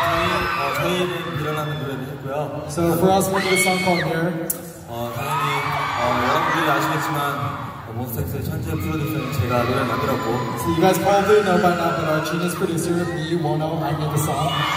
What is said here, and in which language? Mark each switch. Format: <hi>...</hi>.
<en>So for us, what's the song called here?</en> <ko>당연히 여러분들이 아시겠지만 Monsta X의 천재 프로듀서는 제가 노래를 만들었고</ko> <en>So you guys probably know by now that our genius producer, me, Wono, I made the song.</en>